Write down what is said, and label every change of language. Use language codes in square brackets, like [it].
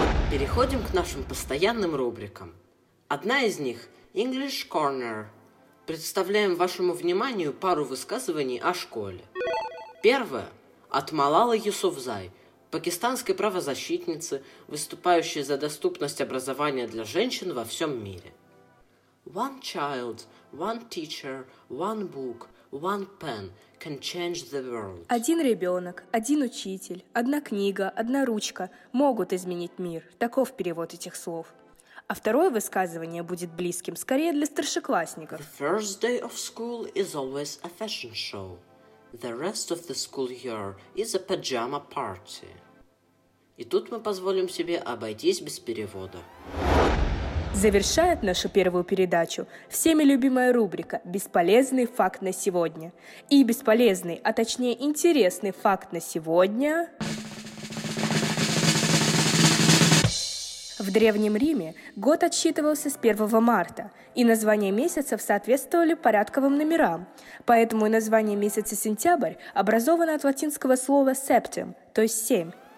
[ru] Переходим к нашим постоянным рубрикам. Одна из них – English Corner. Представляем вашему вниманию пару высказываний о школе. Первое – от Малалы Юсуфзай, пакистанской правозащитницы, выступающей за доступность образования для женщин во всем мире. [en] One child, one teacher, one book, one pen can change the world. [ru] Один ребенок, один учитель, одна книга, одна ручка могут изменить мир. Таков перевод этих слов. А второе высказывание будет близким скорее для старшеклассников. [en] The first day of school is always a fashion show. The rest of the school year is a pajama party. [ru] И тут мы позволим себе обойтись без перевода. Завершает нашу первую передачу всеми любимая рубрика «Бесполезный факт на сегодня». И бесполезный, а точнее интересный факт на сегодня... В Древнем Риме год отсчитывался с 1 марта, и названия месяцев соответствовали порядковым номерам, поэтому и название месяца сентябрь образовано от латинского слова «septem», то есть «семь».